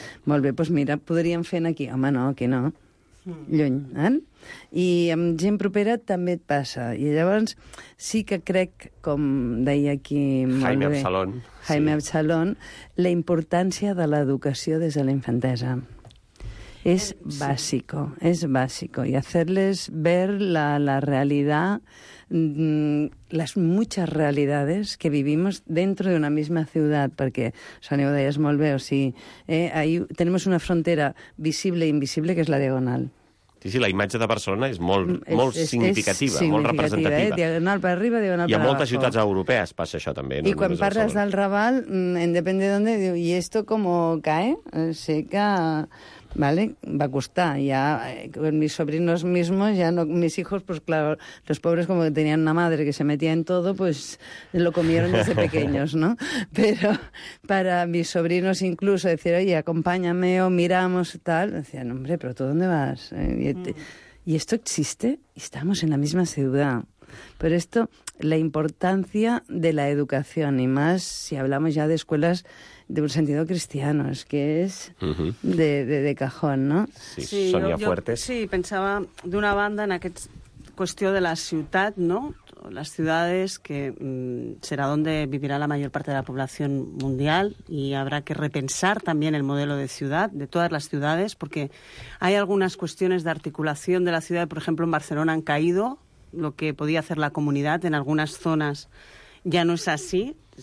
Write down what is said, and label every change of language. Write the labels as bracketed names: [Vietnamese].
[Catalan] Molt bé, doncs mira, podríem fer aquí. Home, no, aquí no. Lluny, eh? I amb gent propera també et passa. I llavors sí que crec, com deia aquí molt Jaime bé... Absalón. Jaime sí. Absalón, la importància de l'educació des de la infantesa. [Spanish] És básico, és básico. I hacerles ver la realidad, las muchas realidades que vivimos dentro de una misma ciudad, [Catalan] perquè, Sonia, ho deies molt bé, o sigui, [Spanish] ahí tenemos una frontera visible e invisible, que és la Diagonal. [Catalan] Sí, sí, la imatge de Barcelona és molt, molt significativa, molt representativa. [Spanish] Diagonal per arriba, Diagonal per abajo. [Catalan] I a moltes ciutats europees passa això, també. I quan parles del Raval, [Spanish] depende [Catalan] d'on, i [Spanish] esto como cae, sé que... ¿Vale? Va a costar. Ya, con mis sobrinos mismos, ya no, mis hijos, pues claro, los pobres como que tenían una madre que se metía en todo, pues lo comieron desde pequeños, ¿no? Pero para mis sobrinos incluso decir, oye, acompáñame o miramos, tal, decían, hombre, ¿pero tú dónde vas? ¿Y esto existe? Estamos en la misma ciudad. Pero esto, la importancia de la educación, y más si hablamos ya de escuelas de un sentido cristiano, es que es de cajón, ¿no? [Catalan] Sí, sí, Sonia, jo, Fuertes. Sí, pensava d'una banda en aquest qüestió de la ciutat, ¿no? [Spanish] Las ciudades, que será donde vivirá la mayor parte de la población mundial, y habrá que repensar también el modelo de ciudad, de todas las ciudades, porque hay algunas cuestiones de articulación de la ciudad, por ejemplo, en Barcelona han caído lo que podía hacer la comunidad, en algunas zonas ya no es así.